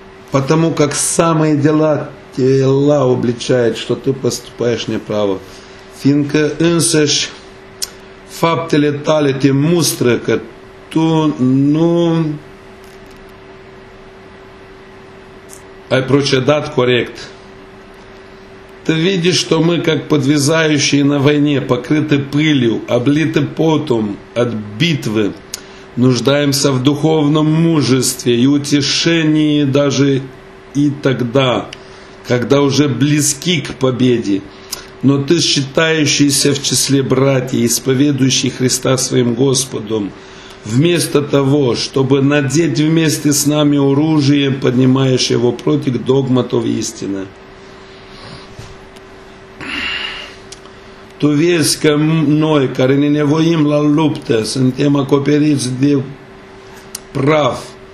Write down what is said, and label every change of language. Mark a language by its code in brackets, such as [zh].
[ru] Потому как самые дела тела обличают, что ты поступаешь неправо. [ro] Fiindcă însăși faptele tale te mustră că tu nu ai procedat corect. [ru] Ты видишь, что мы, как подвязающие на войне, покрыты пылью, облиты потом от битвы, нуждаемся в духовном мужестве и утешении даже и тогда, когда уже близки к победе. Но ты, считающийся в числе братьев, исповедующий Христа своим Господом, вместо того, чтобы надеть вместе с нами оружие, поднимаешь его против догматов истины. [ro] Tu vezi că noi, care ne nevoim la luptă, suntem acoperiți de praf.